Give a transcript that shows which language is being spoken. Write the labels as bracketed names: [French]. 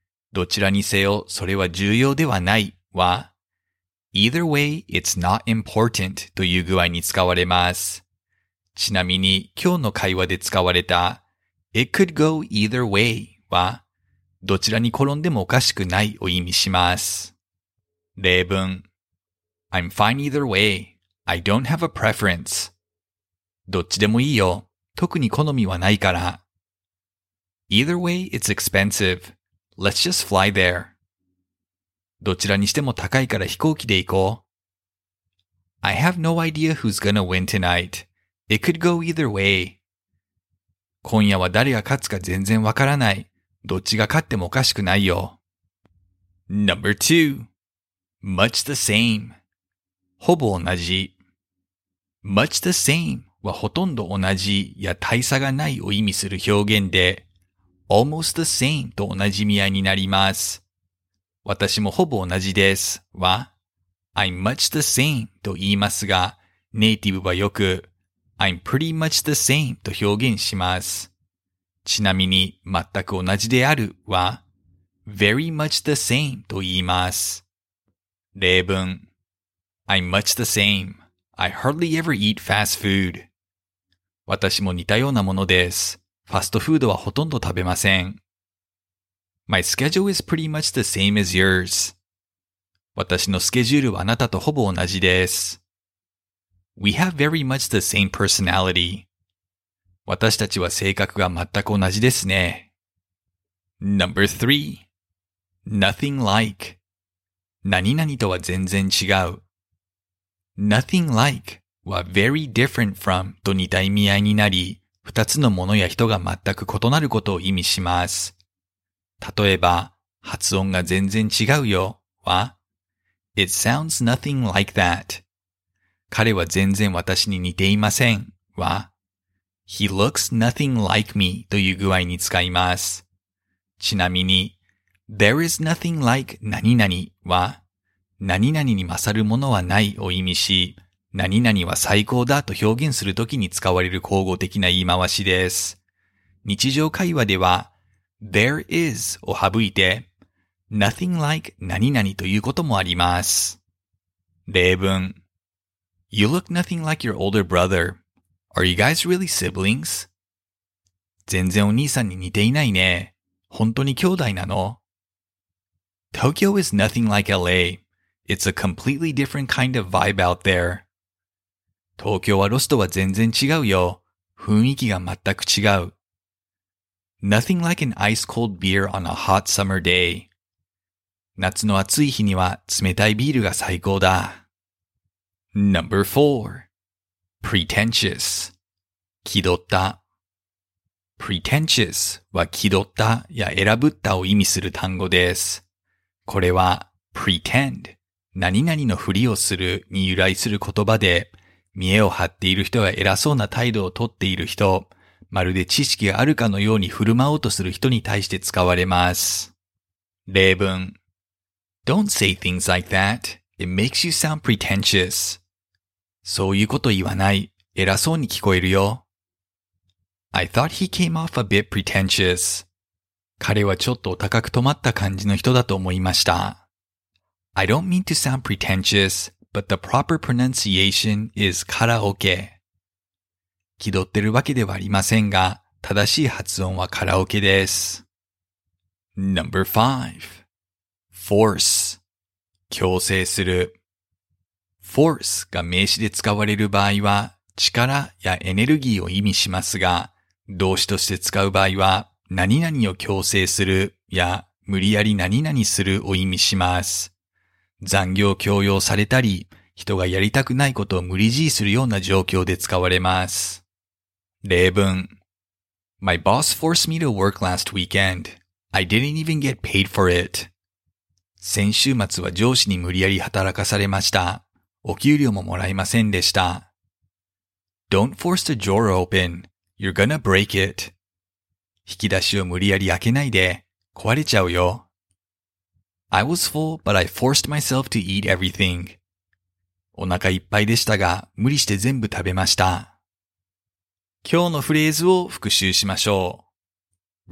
[Japanese] どちらにせよそれは重要ではないは、 [English] Either way, it's not important [Japanese] という具合に使われます。ちなみに今日の会話で使われた [English] It could go either way [Japanese] は、どちらに転んでもおかしくないを意味します。例文 [English] I'm fine either way. I don't have a preference. [Japanese] どっちでもいいよ。特に好みはないから。 [English] Either way, it's expensive. Let's just fly there. [Japanese] どちらにしても高いから飛行機で行こう。 [English] I have no idea who's gonna win tonight. It could go either way. [Japanese] 今夜は誰が勝つか全然わからない。どっちが勝ってもおかしくないよ。 [English] Number two. Much the same. [Japanese] ほぼ同じ。 Much the same はほとんど同じや大差がないを意味する表現で、 [English] Almost the same [Japanese] と同じ意味合いになります。私もほぼ同じですは、 [English] I'm much the same [Japanese] と言いますが、ネイティブはよく、 [English] I'm pretty much the same [Japanese] と表現します。ちなみに、全く同じであるは、 [English] very much the same [Japanese] と言います。例文、 [English] I'm much the same. I hardly ever eat fast food. [Japanese] 私も似たようなものです。ファストフードはほとんど食べません。 [English] My schedule is pretty much the same as yours. [Japanese] 私のスケジュールはあなたとほぼ同じです。 [English] We have very much the same personality. [Japanese] 私たちは性格が全く同じですね。 [English] Number three. Nothing like. [Japanese] 何々とは全然違う。 Nothing like は [English] very different from [Japanese] と似た意味合いになり、二つのものや人が全く異なることを意味します。例えば、発音が全然違うよは、 [English] It sounds nothing like that. [Japanese] 彼は全然私に似ていませんは、 [English] He looks nothing like me [Japanese] という具合に使います。ちなみに、 [English] There is nothing like [Japanese] 何々は、何々に勝るものはないを意味し、何々は最高だと表現するときに使われる口語的な言い回しです。日常会話では、 [English] There is [Japanese] を省いて、nothing like 何々ということもあります。例文 [English] You look nothing like your older brother. Are you guys really siblings? [Japanese] 全然お兄さんに似ていないね。本当に兄弟なの? [English] Tokyo is nothing like LA. It's a completely different kind of vibe out there. [Japanese] 東京はロスとは全然違うよ。雰囲気が全く違う。 [English] Nothing like an ice cold beer on a hot summer day. [Japanese] 夏の暑い日には冷たいビールが最高だ。 [English] Number four. Pretentious. [Japanese] 気取った。 Pretentious は気取ったや偉ぶったを意味する単語です。これは pretend 何々のふりをするに由来する言葉で、見栄を張っている人や偉そうな態度をとっている人、まるで知識があるかのように振る舞おうとする人に対して使われます。例文。 [English] Don't say things like that. It makes you sound pretentious. [Japanese] そういうこと言わない。偉そうに聞こえるよ。 [English] I thought he came off a bit pretentious. [Japanese] 彼はちょっとお高く止まった感じの人だと思いました。 [English] I don't mean to sound pretentious, but the proper pronunciation is karaoke. [Japanese] 気取ってるわけではありませんが、正しい発音はカラオケです。 [English] Number 5. Force. [Japanese] 強制する。 Force が名詞で使われる場合は、力やエネルギーを意味しますが、動詞として使う場合は、何々を強制するや、無理やり何々するを意味します。残業強要されたり、人がやりたくないことを無理強いするような状況で使われます。例文。 [English] My boss forced me to work last weekend. I didn't even get paid for it. [Japanese] 先週末は上司に無理やり働かされました。お給料ももらえませんでした。 [English] Don't force the drawer open. You're gonna break it. [Japanese] 引き出しを無理やり開けないで、壊れちゃうよ。 [English] I was full, but I forced myself to eat everything. [Japanese] お腹いっぱいでしたが、無理して全部食べました。今日のフレーズを復習しましょう。